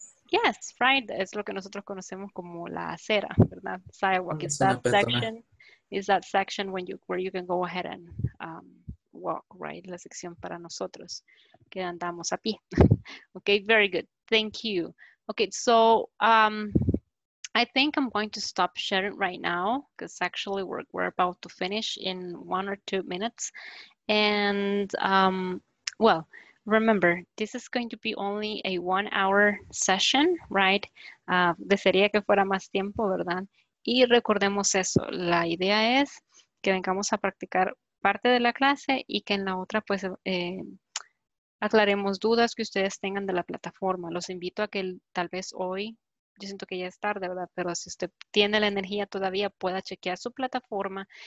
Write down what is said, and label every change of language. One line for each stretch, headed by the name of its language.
English: Yes, right,
Spanish: es lo que nosotros conocemos como la acera, ¿verdad?
English: Sidewalk, is that section, where you can go ahead and walk, right?
Spanish: La sección para nosotros, que andamos a pie.
English: Okay, very good, thank you. Okay, so, I think I'm going to stop sharing right now because actually we're about to finish in 1 or 2 minutes. And well, remember, this is going to be only a 1 hour session, right?
Spanish: Desearía que fuera más tiempo, ¿verdad? Y recordemos eso. La idea es que vengamos a practicar parte de la clase y que en la otra pues aclaremos dudas que ustedes tengan de la plataforma. Los invito a que tal vez hoy, yo siento que ya es tarde, ¿verdad? Pero si usted tiene la energía todavía, pueda chequear su plataforma.